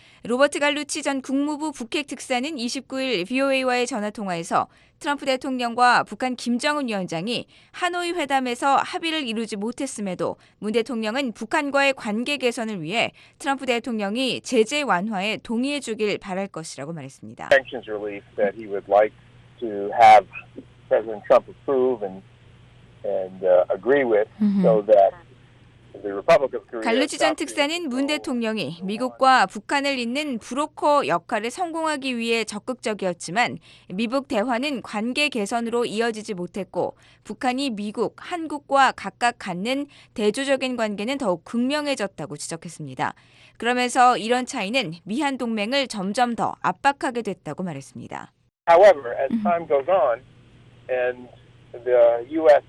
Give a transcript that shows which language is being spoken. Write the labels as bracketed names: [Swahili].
[Korean] 로버트 갈루치 전 국무부 북핵특사는 29일 VOA와의 전화통화에서 트럼프 대통령과 북한 김정은 위원장이 하노이 회담에서 합의를 이루지 못했음에도 문 대통령은 북한과의 관계 개선을 위해 트럼프 대통령이 제재 완화에 동의해 주길 바랄 것이라고 말했습니다. [English] Sanctions relief that he would like to have President Trump approve and agree with so that [Korean] 갈루치 전 특사는 문 대통령이 미국과 북한을 잇는 브로커 역할을 성공하기 위해 적극적이었지만 미북 대화는 관계 개선으로 이어지지 못했고 북한이 미국, 한국과 각각 갖는 대조적인 관계는 더욱 극명해졌다고 지적했습니다. 그러면서 이런 차이는 미한 동맹을 점점 더 압박하게 됐다고 말했습니다. [English] However, as time goes on and the U.S.